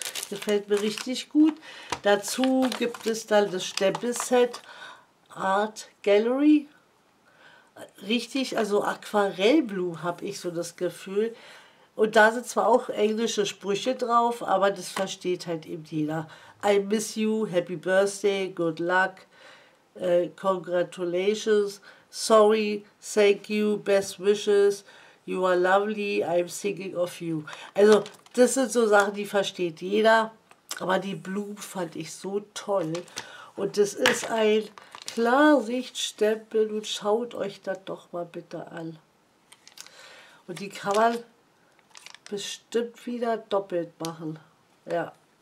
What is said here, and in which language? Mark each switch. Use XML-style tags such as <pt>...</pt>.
<de>Gefällt mir richtig gut. Dazu gibt es dann das Stempelset Art Gallery. Richtig, also Aquarellblumen habe ich so das Gefühl. Und da sind zwar auch englische Sprüche drauf, aber das versteht halt eben jeder.</de> <en>I miss you, happy birthday, good luck, congratulations, sorry, thank you, best wishes, you are lovely, I'm thinking of you.</en> <de>Also, das sind so Sachen, die versteht jeder, aber die Blumen fand ich so toll. Und das ist ein Klarsichtstempel, nun schaut euch das doch mal bitte an. Und die kann man bestimmt wieder doppelt machen. Ja.</de>